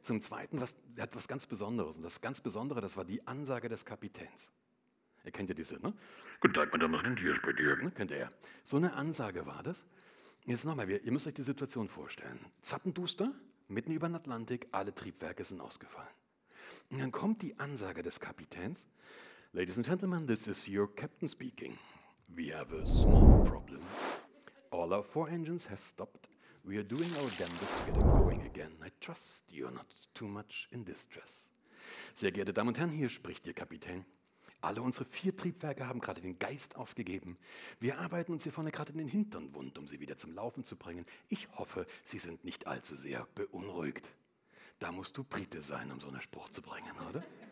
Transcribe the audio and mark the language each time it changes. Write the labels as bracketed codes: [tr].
[de] Zum zweiten, hat was ganz Besonderes. Und das ganz Besondere, das war die Ansage des Kapitäns. Ihr kennt ja diese, ne? Guten Tag, mein Name ist Rentier, bei dir. Ne, kennt ihr ja. So eine Ansage war das. Jetzt nochmal, ihr müsst euch die Situation vorstellen. Zappenduster, mitten über den Atlantik, alle Triebwerke sind ausgefallen. Und dann kommt die Ansage des Kapitäns. [en] Ladies and gentlemen, this is your captain speaking. We have a small problem. All our four engines have stopped. We are doing our damnedest to get it going again. I trust you are not too much in distress. [de] Sehr geehrte Damen und Herren, hier spricht Ihr Kapitän. Alle unsere vier Triebwerke haben gerade den Geist aufgegeben. Wir arbeiten uns hier vorne gerade in den Hintern wund, um sie wieder zum Laufen zu bringen. Ich hoffe, Sie sind nicht allzu sehr beunruhigt. Da musst du Brite sein, um so einen Spruch zu bringen, oder?